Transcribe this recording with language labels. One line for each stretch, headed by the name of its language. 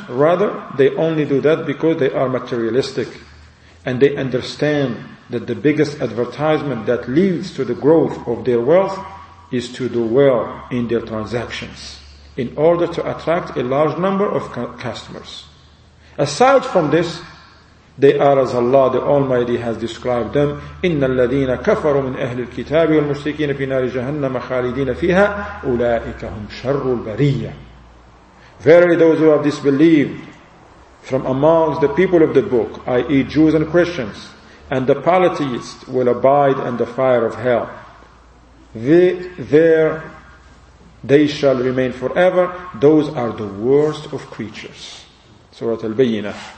English: Rather, they only do that because they are materialistic. And they understand that the biggest advertisement that leads to the growth of their wealth is to do well in their transactions in order to attract a large number of customers. Aside from this, they are as Allah the Almighty has described them,
Arabic: إِنَّ الَّذِينَ كَفَرُوا مِنْ أَهْلِ الْكِتَابِ وَالْمُشْرِكِينَ فِي نَارِ جَهَنَّمَ خَالِدِينَ فِيهَا أُولَٰئِكَ هُمْ شَرُّ الْبَرِيَّةِ.
English: Verily those who have disbelieved from amongst the people of the book, i.e. Jews and Christians, and the polytheists will abide in the fire of hell. There they shall remain forever. Those are the worst of creatures. Surah Al-Bayyinah.